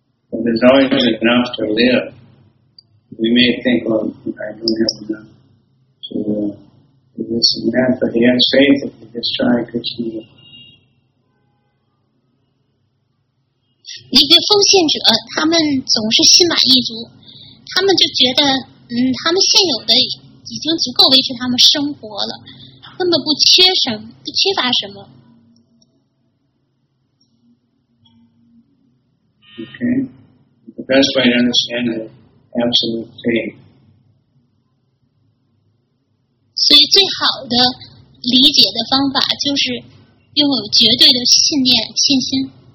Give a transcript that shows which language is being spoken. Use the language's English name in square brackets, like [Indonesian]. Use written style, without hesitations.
[English] But there's always enough to live. We may think, well, I don't have enough to do this and that, but he has faith that he just try Krishna. [Chinese] 一个奉献者，他们总是心满意足，他们就觉得，他们现有的已经足够维持他们生活了，根本不缺什么，不缺乏什么。 [English] Okay, the best way to understand it, absolute faith. [Chinese] 所以，最好的理解的方法就是拥有绝对的信念、信心。